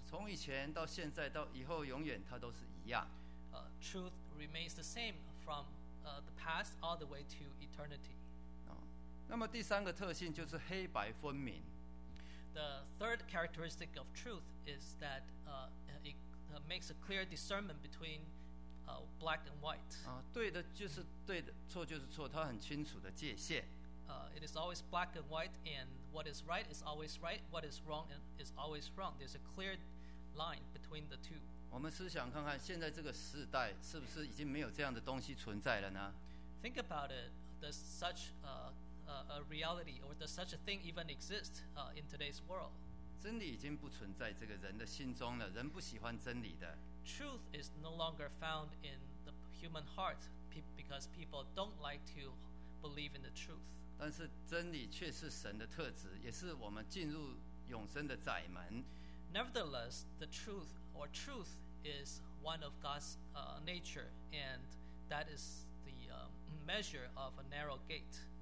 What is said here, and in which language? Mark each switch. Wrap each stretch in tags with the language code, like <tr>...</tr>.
<zh>从以前到现在到以后永远它都是一样。</zh> <en>Truth remains the same from the past all the way to eternity.</en> <zh>那么第三个特性就是黑白分明。</zh> <en>The third characteristic of truth is that makes a clear discernment between black and white.</en> <zh>对的就是对的，错就是错，它很清楚的界限。</zh> <en>It is always black and white, and what is right is always right. What is wrong is always wrong. There's a clear line between the two.</en> <zh>我们试想看看，现在这个时代是不是已经没有这样的东西存在了呢</zh> <en>？Think about it. Does such a reality or does such a thing even exist in today's world?</en> <zh>真理已经不存在这个人的心中了，人不喜欢真理的。</zh> <en>Truth is no longer found in the human heart because people don't like to believe in the truth.</en> <zh>但是真理却是神的特质，也是我们进入永生的窄门。</zh> <en>Nevertheless, the truth or truth is one of God's nature, and that is the measure of a narrow gate.</en>